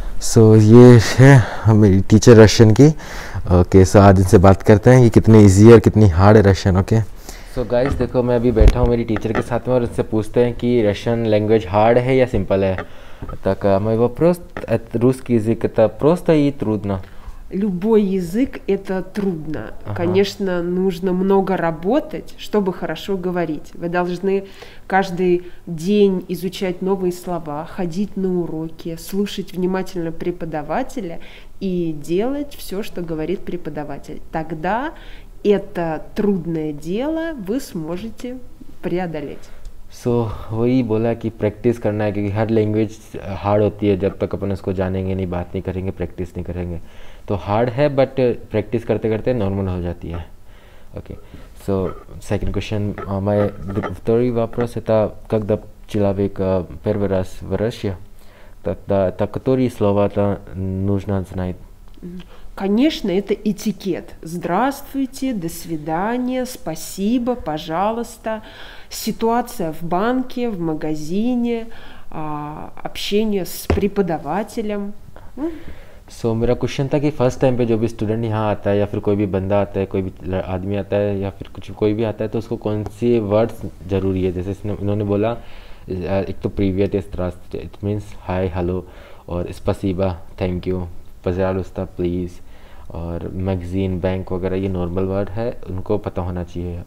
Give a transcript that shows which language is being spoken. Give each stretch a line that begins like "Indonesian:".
Hindi: सो ये है मेरी टीचर रशियन की। ओके सो आज इनसे बात करते हैं कि कितनी इजी है और कितनी हार्ड है रशियन। ओके सो गाइस देखो, मैं अभी बैठा हूँ मेरी टीचर के साथ में और उनसे पूछते हैं कि रशियन लैंग्वेज हार्ड है या सिंपल है। तक मैं वो प्रोस्त रूस की जिक था प्रोस्त ही त्रुदना।
Russian: Любой язык – это трудно. Ага. Конечно, нужно много работать, чтобы хорошо говорить. Вы должны каждый день изучать новые слова, ходить на уроки, слушать внимательно преподавателя и делать все, что говорит преподаватель. Тогда это трудное дело вы сможете преодолеть.
Hindi: सो वही बोला कि प्रैक्टिस करना है, क्योंकि हर लैंग्वेज हार्ड होती है जब तक अपन उसको जानेंगे नहीं, बात नहीं करेंगे, प्रैक्टिस नहीं करेंगे। तो हार्ड है बट प्रैक्टिस करते करते नॉर्मल हो जाती है। Okay so second question my third वापस था कग द चिलाविक पेरवरस वरशिया तक द तकतोरी स्लोवा था नूजना जनाइ।
Russian: Конечно, это этикет. Здравствуйте, до свидания, спасибо, пожалуйста. Ситуация в банке, в магазине, общение с преподавателем.
Hindi: So, मेरा क्वेश्चन था कि फर्स्ट टाइम पे जो भी स्टूडेंट यहाँ आता है या फिर कोई भी बंदा आता है, कोई भी आदमी आता है या फिर कुछ कोई भी आता है, तो उसको कौन सी वर्ड्स जरूरी है। जैसे इन्होंने बोला एक तो प्रीवियत इट मीन्स हाय हेलो, और स्पसीबा थैंक यू, पज़ारुस्ता प्लीज़, और मैगजीन बैंक वगैरह ये नॉर्मल वर्ड है, उनको पता होना चाहिए।